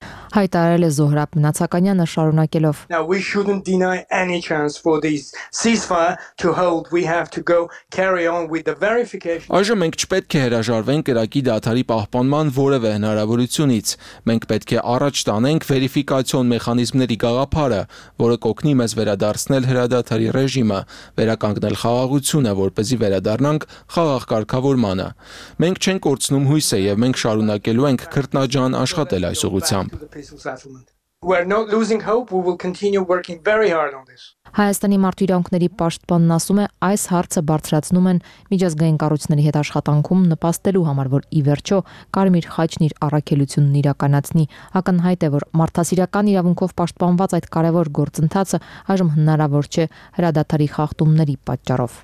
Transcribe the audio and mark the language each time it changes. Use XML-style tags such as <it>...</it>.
<hy>Հայտարարել է Զոհրաբ Մնացականյանը շարունակելով.</hy> <en>Now we shouldn't deny any chance for this ceasefire to hold. We have to go carry on with the verification.</en> <hy>Այժմ մենք չպետք է հրաժարվենք կրակի դադարի պահպանման որևէ հնարավորությունից։ Մենք պետք է առաջ տանենք վերիֆիկացիոն մեխանիզմների գաղափարը, որը կօգնի մեզ վերադարձնել հրադադարի ռեժիմը, վերականգնել խաղաղությունը, որպեսզի վերադառնանք խաղաղ կարգավորմանը։ Մենք չենք կորցնում հույսը եւ մենք շարունակելու ենք քրտնաջան աշխատել այս ուղությամբ։</hy> <en>We're not losing hope, we will continue working very hard on this.</en> <hy>Հայաստանի մարդու իրավունքների պաշտպանն ասում է, այս հարցը բարձրացնում են միջազգային կառույցների հետ աշխատանքում նպաստելու համար, որ ի վերջո Կարմիր խաչն իր առաքելությունն իրականացնի։ Ակնհայտ է, որ մարդասիրական իրավունքով պաշտպանված այդ կարևոր գործընթացը այժմ հնարավոր չէ հրադադարի խախտումների պատճառով։</hy>